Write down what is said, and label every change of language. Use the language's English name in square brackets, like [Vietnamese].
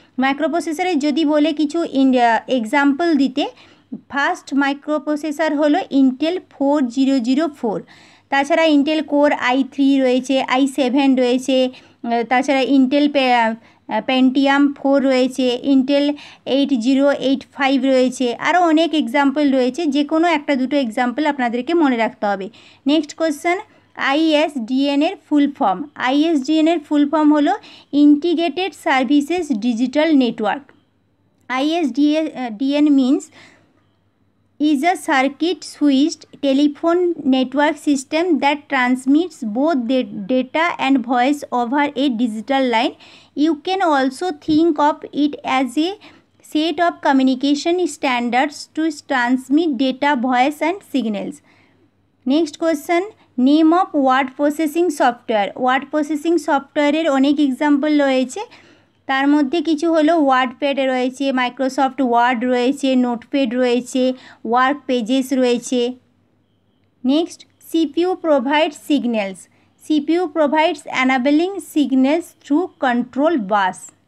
[Bangla] মাইক্রোপ্রসেসরে যদি বলে কিছু এক্সাম্পল দিতে, ফার্স্ট মাইক্রোপ্রসেসর হলো ইন্টেল 4004, তাছাড়া ইন্টেল কোর i3 রয়েছে, i7 রয়েছে, তাছাড়া ইন্টেল পেন্টিয়াম 4 রয়েছে, ইন্টেল 8085 রয়েছে, আরও অনেক এক্সাম্পল রয়েছে। যে কোনো একটা দুটো এক্সাম্পল আপনাদেরকে মনে রাখতে হবে। নেক্সট কোয়েশ্চেন, ISDN এর ফুল ফর্ম? ISDN এর ফুল ফর্ম হলো integrated services digital network. [English] ISDN means is a circuit switched telephone network system that transmits both data and voice over a digital line. You can also think of it as a set of communication standards to transmit data, voice and signals. Next question, name of word processing software? [Bangla] Word processing software er onek example royeche, তার মধ্যে কিছু হলো WordPad রয়েছে, Microsoft word রয়েছে, notepad রয়েছে, work pages রয়েছে। Next, CPU provides signals? CPU provides অ্যানাবেলিং signals through control bus.